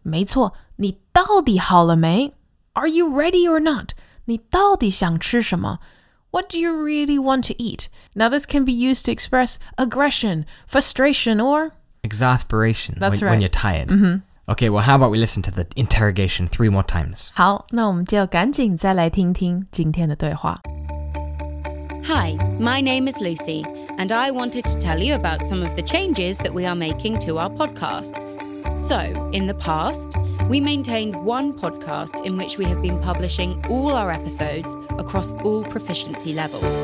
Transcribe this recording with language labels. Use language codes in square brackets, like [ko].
[zh] 没错。你到底好了没? [en] Are you ready or not? [zh] 你到底想吃什么? [en] What do you really want to eat? Now this can be used to express aggression, frustration, or... Exasperation. That's right. When you're tired. Mm-hmm. Okay, well how about we listen to the interrogation 3 more times? [zh] 好,那我们就赶紧再来听听今天的对话。 [en] Hi, my name is Lucy, and I wanted to tell you about some of the changes that we are making to our podcasts. So, in the past, we maintained one podcast in which we have been publishing all our episodes across all proficiency levels.